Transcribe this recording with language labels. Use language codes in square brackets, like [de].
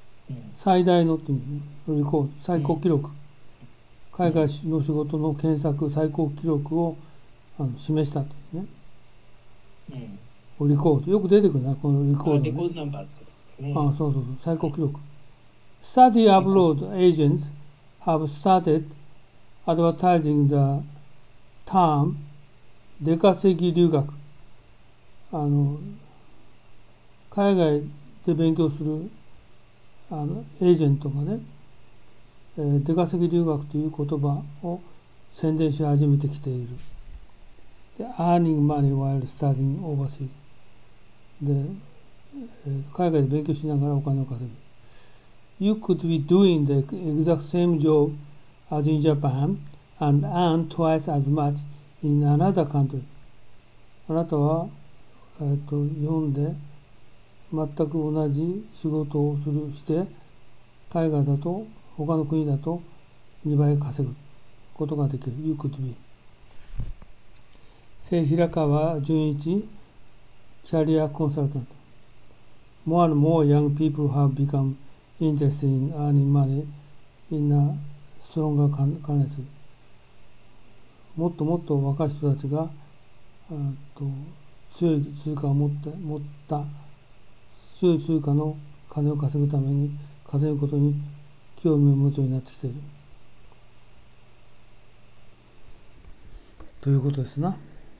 [ja] うん、最大のっていう意味ね、リコード最高記録、うん、海外の仕事の検索最高記録を示したっていうね、うん、リコードよく出てくるな、このリコード、ね、リコードナンバーってことですね。あ、そうそうそう、最高記録。 [en] Study abroad agents have started advertising the term 出稼ぎ留学。 [ja] 海外で勉強するエージェントがね、出稼ぎ留学という言葉を宣伝し始めてきている。 [en] Earning money while studying overseas。 [ja] で、海外で勉強しながらお金を稼ぐ。 [en] You could be doing the exact same job as in Japan and earn twice as much in another country. [ja] あなたは、日本で全く同じ仕事をするして、海外だと、他の国だと2倍稼ぐことができる。 [en] You could be. [ja] 平川淳一、キャリアコンサルタント。 [en] More and more young people have becomeinterested in earning money in a stronger currency。 [ja] もっともっと若い人たちが強い通貨を持った強い通貨の金を稼ぐために稼ぐことに興味を持つようになってきているということですな、ね。